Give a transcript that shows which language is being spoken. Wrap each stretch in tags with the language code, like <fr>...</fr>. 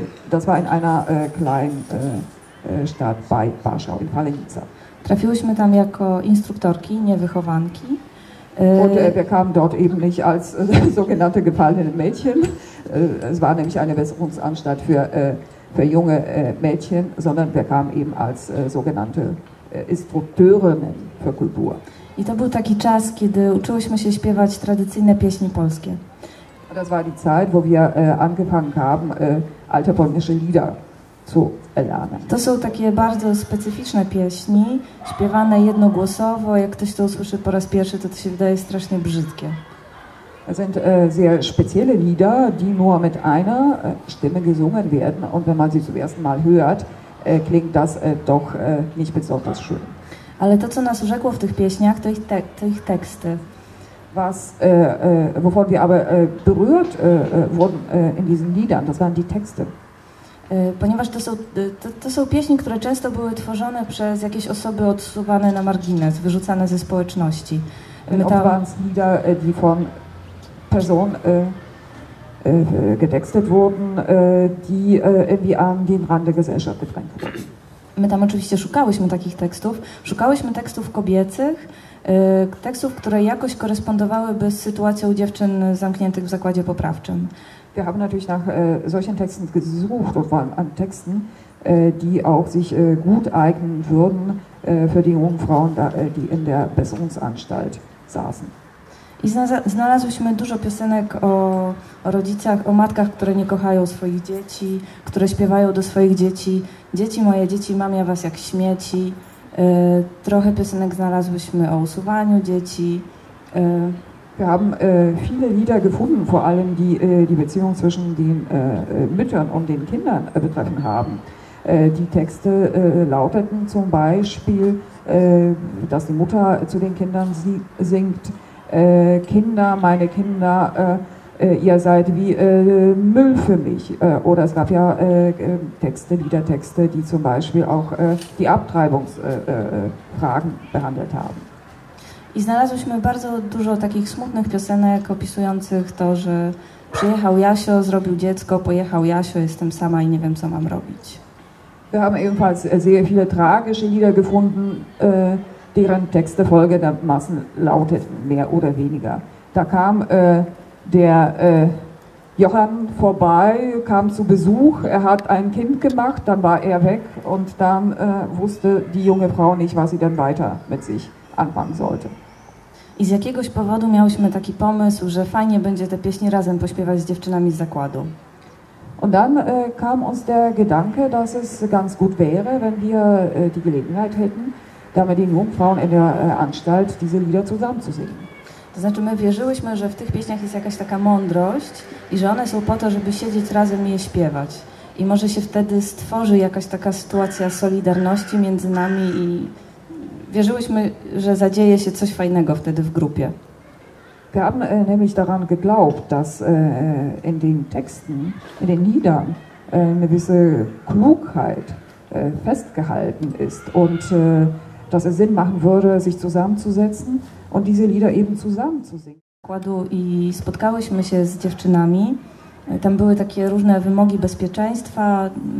<de>Das war in einer kleinen Stadt bei Warschau, in Falenica.</de> <pl>Trafiłyśmy tam jako instruktorki, nie wychowanki.</pl> <de>Und wir kamen dort eben nicht als sogenannte gefallene Mädchen. Es war nämlich eine Besserungsanstalt für junge Mädchen, sondern wir kamen eben als sogenannte Instrukteurinnen für Kultur.</de> <pl>I to był taki czas, kiedy uczyłyśmy się śpiewać tradycyjne pieśni polskie.</pl> <de>Das war die Zeit, wo wir angefangen haben, alte polnische Lieder zu erlernen.</de> <pl>To są takie bardzo specyficzne pieśni, śpiewane jednogłosowo. Jak ktoś to usłyszy po raz pierwszy, to się wydaje strasznie brzydkie.</pl> <de>Es sind sehr spezielle Lieder, die nur mit einer Stimme gesungen werden. Und wenn man sie zum ersten Mal hört, klingt das doch nicht besonders schön.</de> <pl>Ale to, co nas urzekło w tych pieśniach, to ich, to ich teksty.</pl> <de>Was, wovon wir aber berührt wurden in diesen Liedern, das waren die Texte.</de> <pl>Ponieważ to są, to są pieśni, które często były tworzone przez jakieś osoby odsuwane na margines, wyrzucane ze społeczności.</pl> <de>Das waren Lieder, die von Personen getextet wurden, die irgendwie an den Rand der Gesellschaft gedrängt wurden.</de> <pl>My tam oczywiście szukałyśmy takich tekstów. Szukałyśmy tekstów kobiecych, tekstów, które jakoś korespondowałyby z sytuacją dziewczyn zamkniętych w zakładzie poprawczym.</pl> <de>Wir haben natürlich nach solchen Texten gesucht und waren an Texten, die auch sich gut eignen würden für die jungen Frauen, die in der Besserungsanstalt saßen.</de> <pl>I znalazłyśmy dużo piosenek o, o rodzicach, o matkach, które nie kochają swoich dzieci, które śpiewają do swoich dzieci. Dzieci moje, dzieci, mam ja was jak śmieci. Trochę piosenek znalazłyśmy o usuwaniu dzieci.</pl> <de>Wir haben viele Lieder gefunden, vor allem die die Beziehung zwischen den Müttern und den Kindern betreffen haben. Die Texte lauteten zum Beispiel, dass die Mutter zu den Kindern singt, Kinder, meine Kinder, ihr seid wie Müll für mich. Oder es gab ja Texte, Liedertexte, die zum Beispiel auch die Abtreibungsfragen behandelt haben.</de> <pl>I znalazłyśmy bardzo dużo takich smutnych piosenek opisujących to, że przyjechał Jasio, zrobił dziecko, pojechał Jasio, jestem sama i nie wiem, co mam robić.</pl> <de>Wir haben ebenfalls sehr viele tragische Lieder gefunden, deren Texte folgendermaßen lauteten, mehr oder weniger. Da kam der Johann vorbei, kam zu Besuch, er hat ein Kind gemacht, dann war er weg und dann wusste die junge Frau nicht, was sie denn weiter mit sich anfangen sollte.</de> <pl>I z jakiegoś powodu miałyśmy taki pomysł, że fajnie będzie te pieśni razem pośpiewać z dziewczynami z zakładu.</pl> <de>Und dann kam uns der Gedanke, dass es ganz gut wäre, wenn wir die Gelegenheit hätten, da mit den jungen Frauen in der Anstalt diese Lieder zusammen zu singen.</de> <pl>To znaczy, my wierzyłyśmy, że w tych pieśniach jest jakaś taka mądrość i że one są po to, żeby siedzieć razem i je śpiewać. I może się wtedy stworzy jakaś taka sytuacja solidarności między nami i wierzyłyśmy, że zadzieje się coś fajnego wtedy w grupie.</pl> <de>Wir haben nämlich daran geglaubt, dass in den Texten, in den Liedern eine gewisse Klugheit festgehalten ist und dass es Sinn machen würde, sich zusammenzusetzen und diese Lieder eben zusammen zu singen.</de> <pl>I spotkałyśmy się z dziewczynami. Tam były takie różne wymogi bezpieczeństwa.</pl>